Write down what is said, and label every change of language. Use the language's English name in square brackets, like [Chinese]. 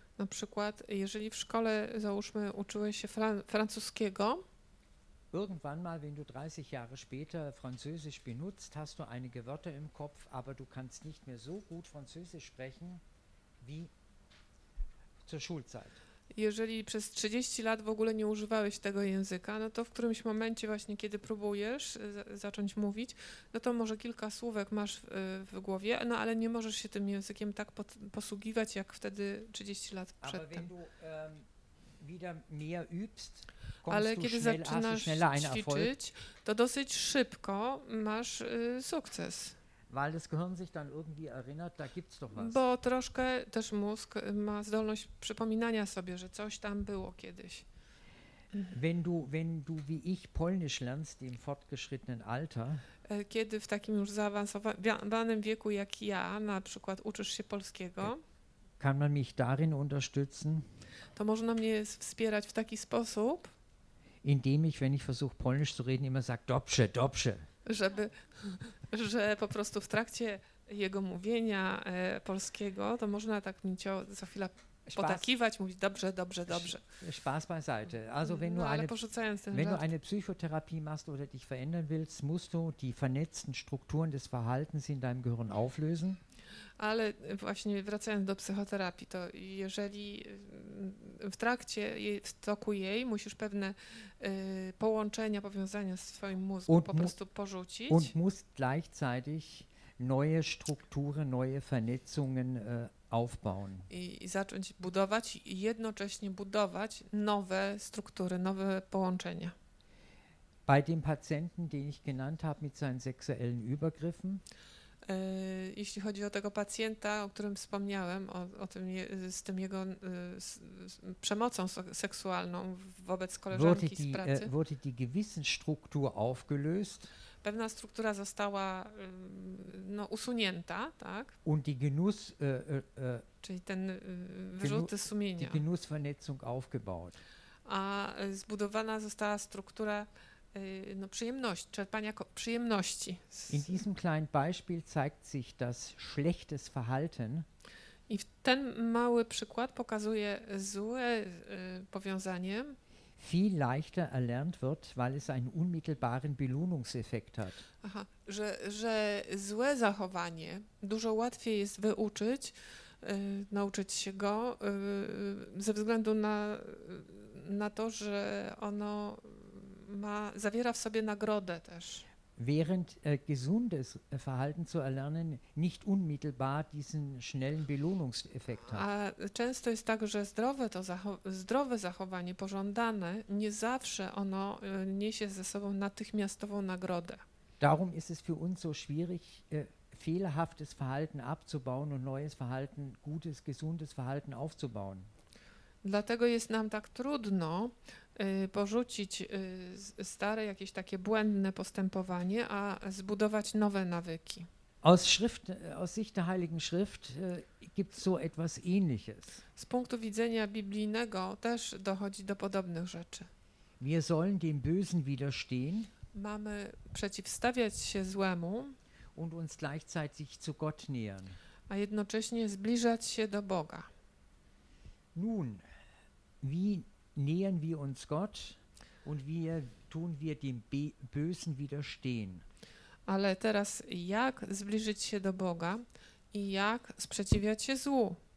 [Polish] Na przykład, jeżeli w szkole, załóżmy, uczyłeś się francuskiego, [German] irgendwann mal, wenn du 30 Jahre später Französisch benutzt, hast du einige Wörter im Kopf, aber du kannst nicht mehr so gut Französisch sprechen, wie zur Schulzeit. [Polish] Jeżeli przez 30 lat w ogóle nie używałeś tego języka, no to w którymś momencie właśnie, kiedy próbujesz zacząć mówić, no to może kilka słówek masz w głowie, no ale nie możesz się tym językiem tak posługiwać, jak wtedy 30 lat przedtem. [German] Aber wenn du, wieder mehr übst, [Polish] ale kiedy zaczynasz ćwiczyć, to dosyć szybko masz sukces. [German] Weil das Gehirn sich dann irgendwie erinnert, da gibt's doch was. [Polish] Bo troszkę też mózg ma zdolność przypominania sobie, że coś tam było kiedyś. [German] Wenn du wie ich Polnisch lernst im fortgeschrittenen Alter, [Polish] kiedy w takim już zaawansowanym wieku jak ja, na przykład uczysz się polskiego, [German] kann man mich darin unterstützen, [Polish] to można mnie wspierać w taki sposób, [German] indem ich, wenn ich versuche Polnisch zu reden, immer sag [Polish] dobrze, dobrze. Że po prostu w trakcie jego mówienia polskiego, to można tak mi za chwilę potakiwać, mówić dobrze, dobrze, dobrze. [German] Spaß beiseite. Also wenn du eine Psychotherapie machst oder dich verändern willst, musst du die vernetzten Strukturen des Verhaltens in deinem Gehirn auflösen. [Polish] Ale właśnie wracając do psychoterapii, to jeżeli w toku jej musisz pewne połączenia, powiązania z swoim mózgiem po prostu porzucić. [German] Und musst gleichzeitig neue Strukturen, neue Vernetzungen aufbauen. [Polish] I zacząć budować i jednocześnie budować nowe struktury, nowe połączenia. [German] Bei dem Patienten, den ich genannt habe, mit seinen sexuellen Übergriffen. [Polish] Jeśli chodzi o tego pacjenta, o którym wspomniałem, o tym je, z tym jego z przemocą seksualną wobec koleżanki [German] wurde die, [Polish] z pracy, [German] wurde die Gewissensstruktur aufgelöst, [Polish] pewna struktura została no, usunięta, tak? [German] Und die Genuss, [Polish] czyli ten wyrzuty sumienia. [German] Die Genussvernetzung aufgebaut. [Polish] A zbudowana została struktura no, przyjemność, czerpania przyjemności. [German] In diesem kleinen Beispiel zeigt sich, dass schlechtes Verhalten. [Polish] I ten mały przykład pokazuje złe powiązanie. [German] Viel leichter erlernt wird, weil es einen unmittelbaren Belohnungseffekt hat. [Polish] Aha, że złe zachowanie dużo łatwiej jest wyuczyć, nauczyć się go ze względu na to, że ono ma, zawiera w sobie nagrodę też. [German] Während gesundes Verhalten zu erlernen nicht unmittelbar diesen schnellen Belohnungseffekt hat. [Polish] A często jest tak, że zdrowe zachowanie, pożądane, nie zawsze ono niesie ze sobą natychmiastową nagrodę. [German] Darum ist es für uns so schwierig, fehlerhaftes Verhalten abzubauen und neues Verhalten, gutes, gesundes Verhalten aufzubauen. [Polish] Dlatego jest nam tak trudno porzucić stare, jakieś takie błędne postępowanie, a zbudować nowe nawyki. [German] Aus Sicht der Heiligen Schrift gibt's so etwas Ähnliches. [Polish] Z punktu widzenia biblijnego też dochodzi do podobnych rzeczy. [German] Wir sollen dem Bösen widerstehen. [Polish] Mamy przeciwstawiać się złemu. [German] Und uns gleichzeitig zu Gott nähern. [Polish] A jednocześnie zbliżać się do Boga. [German] Nun, wie nähern wir uns Gott und wie tun wir dem Bösen widerstehen? [Polish] Ale teraz jak zbliżyć się do Boga i jak sprzeciwiać się złu?